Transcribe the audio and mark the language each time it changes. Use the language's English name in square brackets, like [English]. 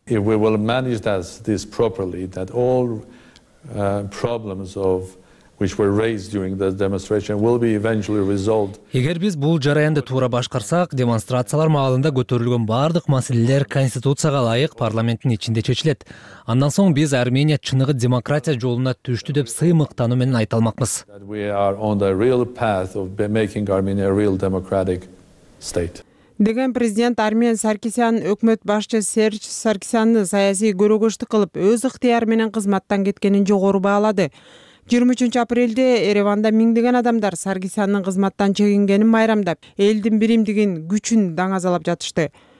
[English] If we will manage this properly, that all problems of which were raised during the demonstration will be eventually resolved. [Kyrgyz] Эгер биз бул жараянды туура башкарсак, демонстрациялар маалында көтөрүлгөн баардык маселелер конституцияга ылайык парламенттин ичинде чечилет. Андан соң биз Армения чыныгы демократия жолуна түштү деп сыймыктануу менен айта алмакбыз. [English] We are on the real path of making Armenia a real democratic state. [Kyrgyz] Деген президент Армен Саркисян өкмөт башчы Серж Саркисянды саясий көрөгөчтү кылып, өз ыктыяры менен кызматтан кеткенин жогору баалады. 23 апрелде Ереванда миңдеген адамдар Саркисяндын кызматтан чегингенин майрамдап, элдин биримдигин, күчүн даңазалап жатышты.